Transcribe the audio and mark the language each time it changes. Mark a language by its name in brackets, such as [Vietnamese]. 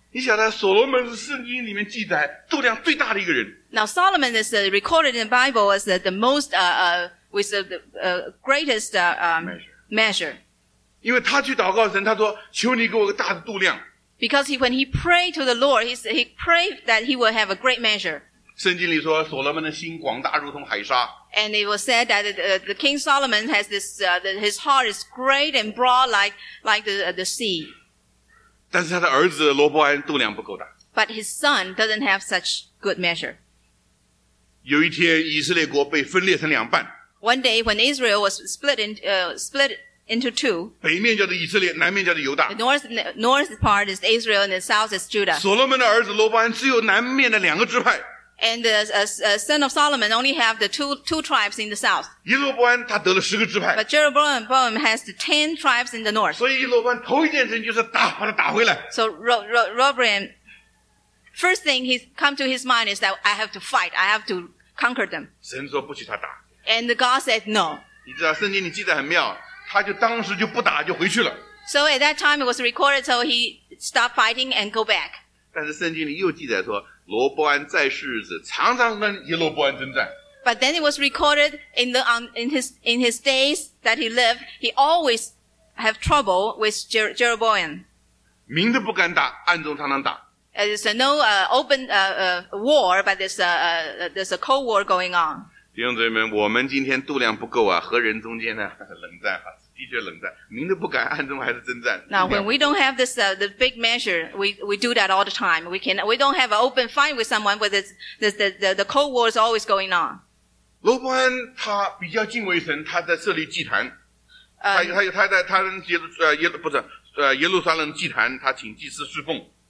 [Chinese] 你晓得所罗门是圣经里面记载度量最大的一个人。 [English] Now Solomon is recorded in the Bible as the most, with the greatest measure. [Chinese] 因为他去祷告神，他说：“求你给我个大的度量。” [English] Because when he prayed to the Lord, he prayed that he will have a great measure. [Chinese] 圣经里说所罗门的心广大如同海沙。 [English] And it was said that the King Solomon has this, that his heart is great and broad like the sea. [Chinese] 但是他的儿子罗伯安度量不够大。 [English] But his son doesn't have such good measure. [Chinese] 有一天以色列国被分裂成两半。 [English] One day when Israel was split into two. [Chinese] 北面叫做以色列，南面叫做犹大。 [English] The north part is Israel and the south is Judah. [Chinese] 所罗门的儿子罗伯安只有南面的两个支派。 [English] And the son of Solomon only have the two tribes in the south. [Chinese] 耶罗伯安他得了十个支派。 [English] But Jeroboam has the 10 tribes in the north. [Chinese] 所以耶罗伯安头一件事就是打，把他打回来。 [English] So Roboam, first thing he's come to his mind is that I have to fight. I have to conquer them. [Chinese] 神说不许他打。 [English] And the God said no. [Chinese] 你知道圣经里记得很妙，他就当时就不打就回去了。 [English] So at that time it was recorded, so he stopped fighting and go back. [Chinese] 但是圣经里又记载说。罗伯安在世日子，常常跟耶罗伯安征战。 [English] But then it was recorded in his days that he lived, he always have trouble with Jeroboam. [Chinese] 明着不敢打，暗中常常打。 [English] There's no open war, but there's a cold war going on. [Chinese] 弟兄姊妹们，我们今天度量不够啊，和人中间呢冷战哈，的确冷战，明着不敢，暗中还是征战。 [English] Now when we don't have this the big measure, we do that all the time. We don't have an open fight with someone, but the cold war is always going on. [Chinese] 罗伯安他比较敬畏神，他在设立祭坛。他在耶路撒冷祭坛，他请祭司侍奉。